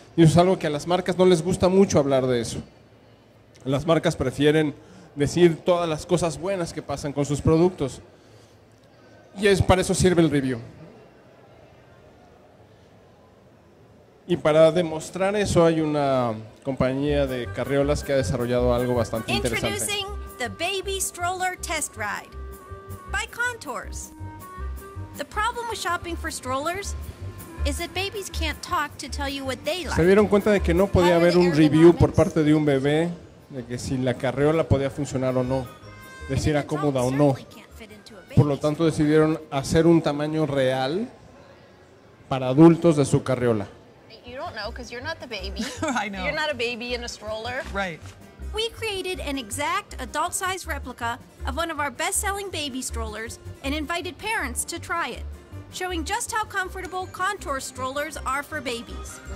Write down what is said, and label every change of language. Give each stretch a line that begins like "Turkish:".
Spanish: Y eso es algo que a las marcas no les gusta mucho hablar de eso. Las marcas prefieren decir todas las cosas buenas que pasan con sus productos. Y es para eso sirve el review. Y para demostrar eso hay una compañía de carriolas que ha desarrollado algo bastante interesante.
English: The Baby Stroller Test Ride by Contours. The problem with shopping for strollers is that babies can't talk to tell you what they like.
Spanish: ¿Se dieron cuenta de que no podía haber un review por parte de un bebé de que si la carriola podía funcionar o no, de si era cómoda o no? Por lo tanto, decidieron hacer un tamaño real para adultos de su carriola.
English: You don't know because you're not the baby. I know. You're not a baby in a stroller. Right. We created an exact adult-sized replica of one of our best-selling baby strollers and invited parents to try it, showing just how comfortable Contour strollers are for babies.